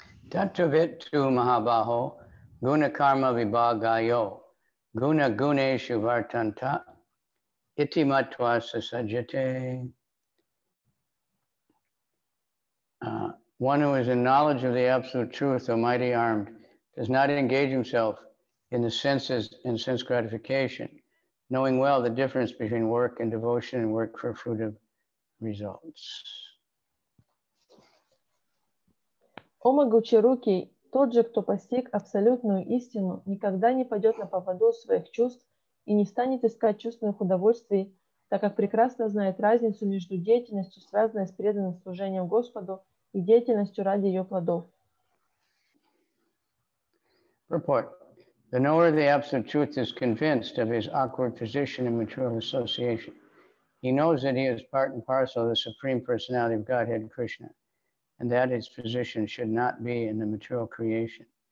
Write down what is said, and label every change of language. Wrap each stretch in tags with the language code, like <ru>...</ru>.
<sa>Таттавиттху Махабахо Гуна Карма Вибагайо Гуна Гунешу Вартанта Итти Матва Сасаджате.</sa> <en>One who is in knowledge of the Absolute Truth, O Mighty Armed, does not engage himself in the senses and sense gratification, knowing well the difference between work and devotion and work for fruitive results.</en> <ru>О могучий руки, тот же, кто постиг абсолютную истину, никогда не пойдет на поводу своих чувств и не станет искать чувственных удовольствий, так как прекрасно знает разницу между деятельностью, связанной с преданным служением Господу, и деятельностью ради ее плодов. Report.</ru> <en>The knower of the absolute truth is convinced of his awkward position in material association. He knows that he is part and parcel of the Supreme Personality of Godhead, Krishna, and that his position should not be in the material creation.</en>